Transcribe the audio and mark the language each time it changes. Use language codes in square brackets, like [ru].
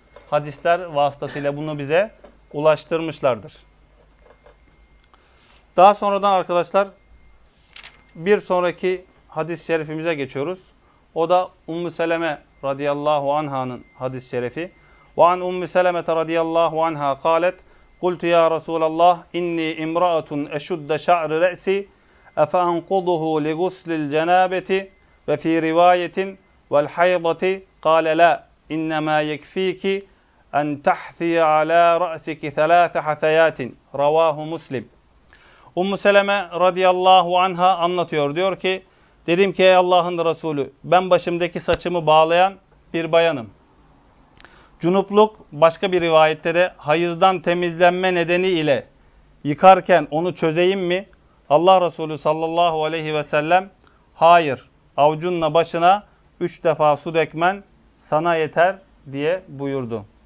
[tr] Hadisler vasıtasıyla bunu bize ulaştırmışlardır. Daha sonradan arkadaşlar bir sonraki hadis-i şerifimize geçiyoruz. O da Ummu Seleme radıyallahu anha'nın hadis-i şerifi. [ar] وَعَنْ اُمِّ سَلَمَةَ رَضِيَ اللّٰهُ عَنْهَا قَالَتْ قُلْتُ يَا رَسُولَ اللّٰهِ اِنِّي اِمْرَأَةٌ اَشُدَّ شَعْرِ رَأْسِ اَفَاَنْقُضُهُ لِغُسْلِ الْجَنَابَةِ وَفِي رِوَايَةٍ وَالْحَيْضَةِ قَالَ لَا اِنَّمَا يَكْفِيكِ اَنْ تَحْثِيَ عَلَى رَأْسِكِ ثَلَاثَ حَثَيَاتٍ رَوَاهُ مُسْلِمْ [tr] Ummu Seleme radıyallahu anha anlatıyor. Diyor ki, dedim ki ey Allah'ın Resulü, ben başımdaki saçımı bağlayan bir bayanım. Cunupluk, başka bir rivayette de hayızdan temizlenme nedeni ile yıkarken onu çözeyim mi? Allah Resulü sallallahu aleyhi ve sellem, hayır, avucunla başına üç defa su dökmen sana yeter diye buyurdu.